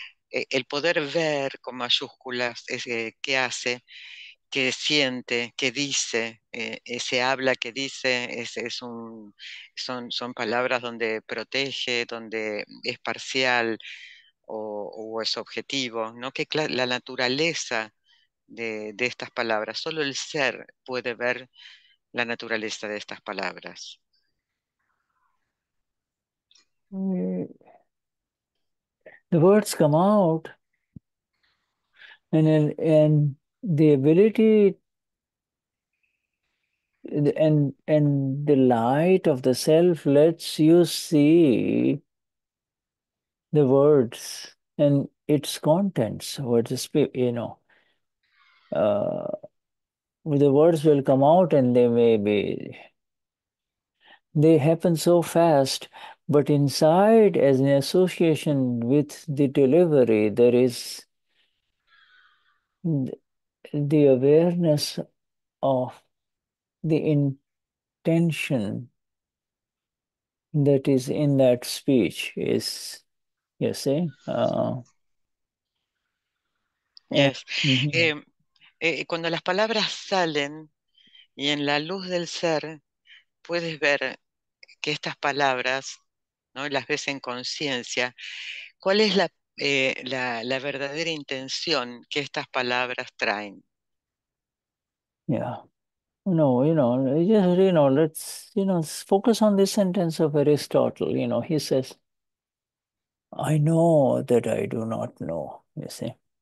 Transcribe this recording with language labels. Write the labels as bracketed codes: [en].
[es] El poder ver con mayúsculas es qué hace, qué siente, qué dice, ese habla que dice son palabras donde protege, donde es parcial o es objetivo, ¿no? Que la naturaleza de estas palabras, solo el ser puede ver la naturaleza de estas palabras. [en] The words come out and the ability and the light of the self lets you see the words and its contents, the words will come out and they happen so fast, but inside, as an association with the delivery, there is the awareness of the intention that is in that speech, is, you see? Yes. [es] Cuando las palabras salen y en la luz del ser, puedes ver que estas palabras, ¿no? Las ves en conciencia. ¿Cuál es la verdadera intención que estas palabras traen? [en] Yeah. No, let's focus on this sentence of Aristotle. You know, he says, I know that I do not know, you see.